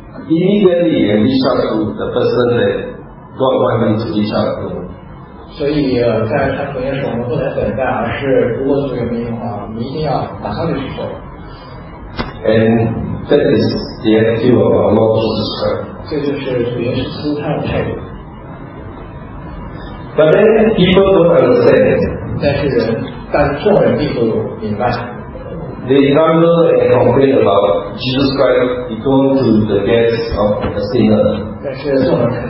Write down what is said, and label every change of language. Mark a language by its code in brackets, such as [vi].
[en] immediately and reach out to the person that God wants me to reach out to. [zh] 所以在传福音的时候，我们不能等待，而是如果主有命令的话，我们一定要马上就去做。 [en] And that is the attitude of our Lord Jesus Christ. [zh] 这就是主耶稣他的态度。 [en] But then people don't understand. [zh] 但是人，但众人并不明白。 [en] They grumble and complain about Jesus Christ going to the guests of the sinner.